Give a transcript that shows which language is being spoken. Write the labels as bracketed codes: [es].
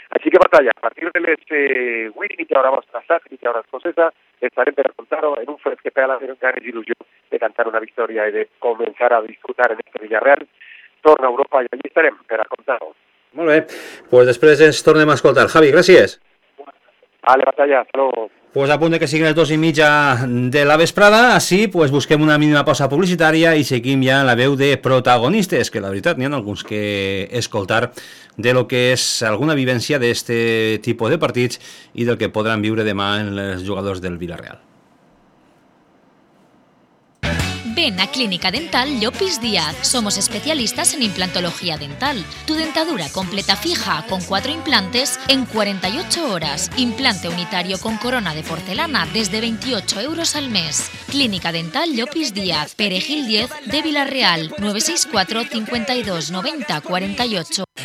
[ca] Així que batalla, a partir de les 8 i que ara vostre sac i que ara escocesa, estarem per contar-ho en un fred que pega la gent que ara és il·lusió de cantar una victòria i de començar a disfrutar en este Villarreal. Torna a Europa i allí estarem per a contar-ho. Molt bé, pues després ens tornem a escoltar. Javi, gràcies. [es] Vale, batalla, hasta luego. [ca] Pues a punt de que siguin les 2:30 de la vesprada, així pues busquem una mínima pausa publicitària i seguim ja la veu de protagonistes, que la veritat n'hi ha alguns que escoltar de lo que és alguna vivència d'este tipus de partits i del que podran viure demà els jugadors del Villarreal. [es] Ven a Clínica Dental Llopis Díaz. Somos especialistas en implantología dental. Tu dentadura completa fija con 4 implantes en 48 horas. Implante unitario con corona de porcelana desde 28 euros al mes. Clínica Dental Llopis Díaz, Perejil 10 de Villarreal, 964-5290-48.